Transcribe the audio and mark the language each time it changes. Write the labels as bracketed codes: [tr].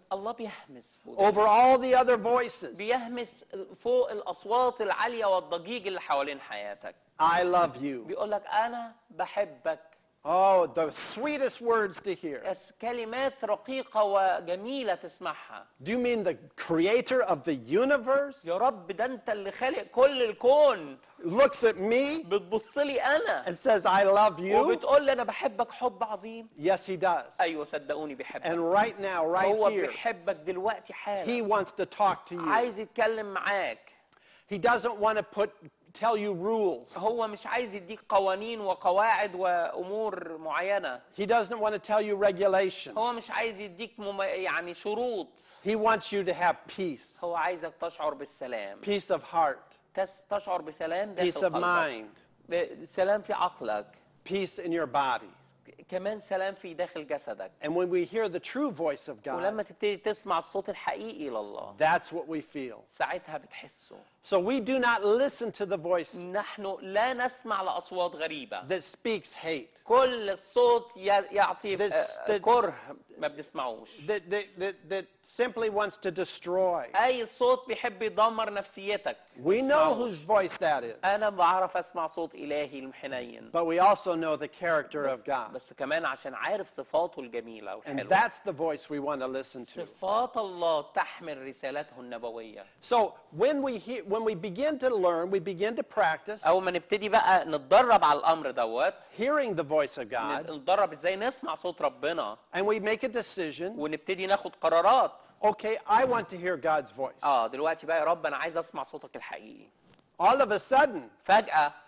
[ar] الله بيهمس فوق. [en] Over all the other voices. [ar] بيهمس فوق الأصوات العالية والضجيج اللي حوالين حياتك. [en] I love you. [ar] بيقول لك أنا بحبك. [en] Oh, the sweetest words to hear. [ar] كلمات رقيقة وجميلة تسمعها. [en] Do you mean the creator of the universe? [ar] يا رب ده أنت اللي خالق كل الكون. [en] Looks at me. [ar] بتبص لي أنا. [en] And says, "I love you." [ar] وبتقول لي أنا بحبك حب عظيم. [en] Yes, he does. [ar] أيوة صدقوني بحبك. [en] And right now, right [ar] هو [en] here. [ar] هو بيحبك دلوقتي حالا. [en] He wants to talk to you. [ar] عايز يتكلم معاك. [en] He doesn't want to tell you rules. [ar] هو مش عايز يديك قوانين وقواعد وأمور معينة. [en] He doesn't want to tell you regulations. [ar] هو مش عايز يديك يعني شروط. [en] He wants you to have peace. [ar] هو عايزك تشعر بالسلام. [en] Peace of heart. [ar] تشعر بسلام داخل [en] Peace of [ar] قلبك. [en] Mind. [ar] سلام في عقلك. [en] Peace in your body. [ar] كمان سلام في داخل جسدك. [en] And when we hear the true voice of God. [ar] ولما تبتدي تسمع الصوت الحقيقي لله. [en] That's what we feel. [ar] ساعتها بتحسه. [en] So we do not listen to the voice. [ar] نحن لا نسمع لأصوات غريبة. [en] That speaks hate. [ar] كل صوت يعطي كره ما بنسمعوش. [en] That simply wants to destroy. [ar] أي صوت بيحب يدمر نفسيتك. [en] We know whose voice that is. [ar] أنا بعرف أسمع صوت إلهي المحنين. [en] But we also know the character of God. [ar] بس كمان عشان عارف صفاته الجميلة والحلوة. [en] And that's the voice we want to listen to. [ar] صفات الله تحمل رسالته النبوية. [en] So when we hear When we begin to learn, we begin to practice. [ar] أو ما نبتدي بقى نتدرب على الأمر دوت. [en] Hearing the voice of God. [ar] نتدرب إزاي نسمع صوت ربنا. [en] And we make a decision. [ar] ونبتدي ناخد قرارات. [en] Okay, I want to hear God's voice. [ar] دلوقتي بقى يا رب أنا عايز أسمع صوتك الحقيقي. [en] All of a sudden. [ar] فجأة.